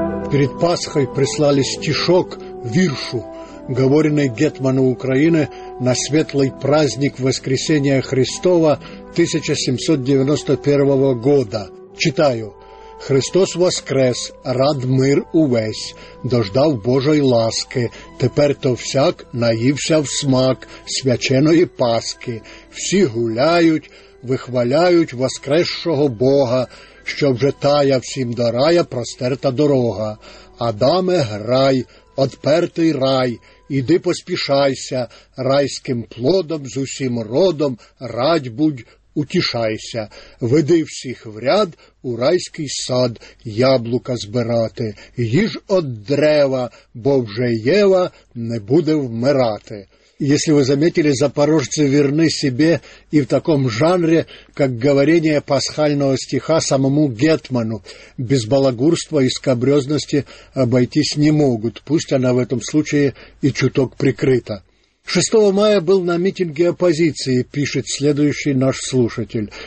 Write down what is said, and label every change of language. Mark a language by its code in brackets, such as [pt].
[ru] Перед Пасхой прислали стишок «Виршу», говоренный гетману Украины на светлый праздник Воскресения Христова 1791 года. Читаю. [uk] «Христос воскрес, рад мир увесь, дождав Божої ласки, тепер то всяк наївся в смак свяченої Пасхи. Всі гуляють, вихваляють воскресшого Бога, що вже тая всім до рая простерта дорога. Адаме, грай, отпертий рай, іди поспішайся, райським плодом з усім родом радь будь, утішайся, веди всіх в ряд у райський сад яблука збирати, їж от дерева, бо вже Єва не буде вмирати». [ru] Если вы заметили, запорожцы верны себе и в таком жанре, как говорение пасхального стиха самому гетману. Без балагурства и скабрёзности обойтись не могут, пусть она в этом случае и чуток прикрыта. 6 мая был на митинге оппозиции, пишет следующий наш слушатель.